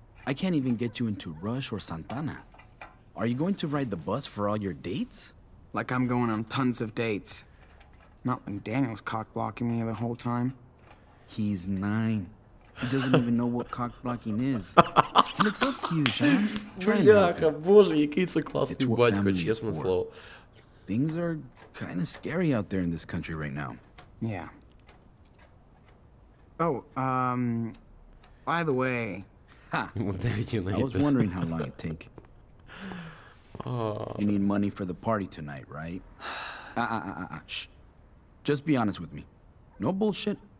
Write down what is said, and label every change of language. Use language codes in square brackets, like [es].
[en] I can't even get you into Rush or Santana. Are you going to ride the bus for all your dates? Like I'm going on tons of dates. Not when Daniel's cock-blocking me the whole time. He's 9. He doesn't even know what cock-blocking is. He looks so cute, Sean. [uk] Бляха, боже, який це класний батько, чесно слово. [en] Things are kind of scary out there in this country right now. Yeah. Oh, by the way... Ha! I was wondering how long it'd take. You need money for the party tonight, right? Shh. Just be honest with me. No bullshit.